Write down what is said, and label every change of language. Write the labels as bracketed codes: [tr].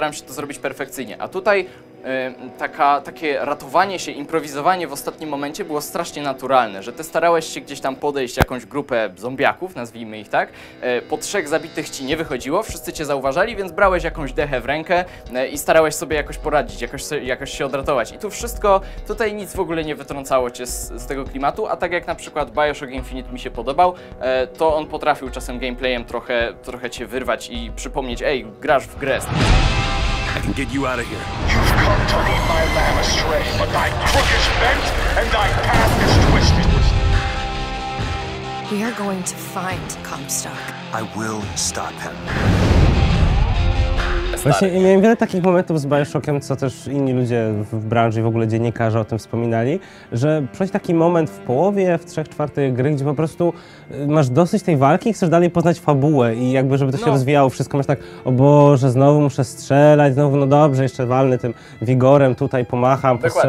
[pl] Staram się to zrobić perfekcyjnie. A tutaj takie ratowanie się, improwizowanie w ostatnim momencie było strasznie naturalne, że ty starałeś się gdzieś tam podejść jakąś grupę zombiaków, nazwijmy ich tak, po trzech zabitych ci nie wychodziło, wszyscy cię zauważali, więc brałeś jakąś dechę w rękę i starałeś sobie jakoś poradzić, jakoś się odratować. I tu wszystko, tutaj nic w ogóle nie wytrącało cię z tego klimatu, a tak jak na przykład Bioshock Infinite mi się podobał, to on potrafił czasem gameplayem trochę cię wyrwać i przypomnieć, ej, grasz w grę. [en] I can get you out of here. You've come to lead my lamb astray, but thy crook is bent and thy path is twisted. We are going to find Comstock. I will stop him. [pl] Właśnie miałem wiele takich momentów z Bioshockiem, co też inni ludzie w branży i w ogóle dziennikarze o tym wspominali, że przychodzi taki moment w połowie, w trzech czwartych gry, gdzie po prostu masz dosyć tej walki i chcesz dalej poznać fabułę i jakby, żeby to się rozwijało wszystko, masz tak, o Boże, znowu muszę strzelać, znowu, no dobrze, jeszcze walnę tym wigorem tutaj, pomacham, postrzelam.